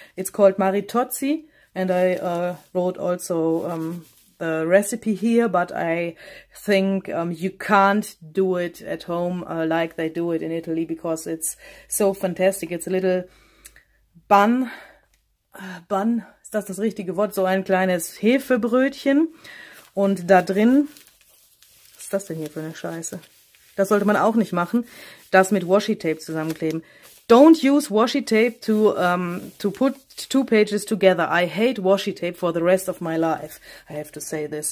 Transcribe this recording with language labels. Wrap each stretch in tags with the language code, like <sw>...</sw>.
<en>It's called Maritozzi, and I wrote also the recipe here, but I think you can't do it at home like they do it in Italy, because it's so fantastic. It's a little Bun,</en> <de>ist das das richtige Wort? So ein kleines Hefebrötchen, und da drin, was ist das denn hier für eine Scheiße? Das sollte man auch nicht machen, das mit Washi-Tape zusammenkleben.</de> <en>Don't use Washi-Tape to put two pages together. I hate Washi-Tape for the rest of my life. I have to say this.</en>